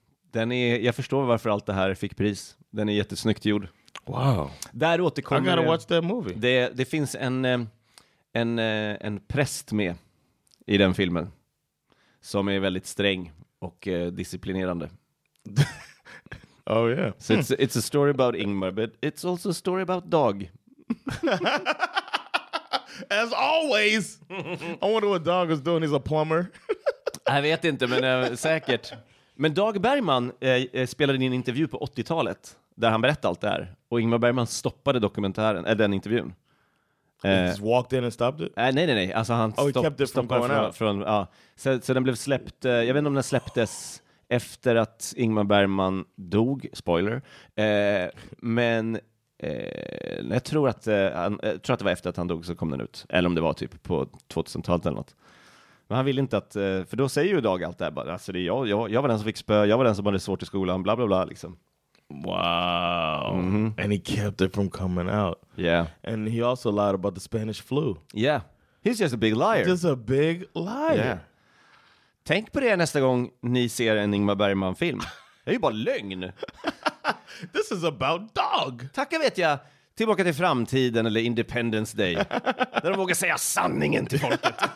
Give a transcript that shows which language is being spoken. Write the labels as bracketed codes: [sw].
[sv] Den är, jag förstår varför allt det här fick pris. Den är jättesnyggt gjord. [en] Wow. [sv] Där återkommer... [en] I gotta watch that movie. [sv] Det finns en präst med i den filmen. Som är väldigt sträng och disciplinerande. [en] Oh yeah. So it's a story about Ingmar, but it's also a story about dog. As always. I wonder what dog is doing. He's a plumber. [sv] Jag vet inte, men säkert. Men Dag Bergman spelade in en intervju på 80-talet där han berättade allt det här. Och Ingmar Bergman stoppade dokumentären, den intervjun. [en] Just walked in and stopped it? [sv] Nej. Alltså han [en] kept it from going out. [sv] Så den blev släppt, jag vet inte om den släpptes efter att Ingmar Bergman dog, spoiler. Men jag tror att det var efter att han dog så kom den ut. Eller om det var typ på 2000-talet eller något. Men han vill inte att, för då säger ju Dag allt det här bara, alltså det är jag var den som fick spö, jag var den som hade svårt i skolan, bla bla bla liksom. [en] Wow. Mm-hmm. And he kept it from coming out. Yeah. And he also lied about the Spanish flu. Yeah. He's just a big liar. Just a big liar. Yeah. [sv] Tänk på det nästa gång ni ser en Ingmar Bergman-film. Det är ju bara lögn. [en] This is about Dog. [sv] Tacka vet jag. Tillbaka till framtiden eller Independence Day. Där de vågar säga sanningen till folket.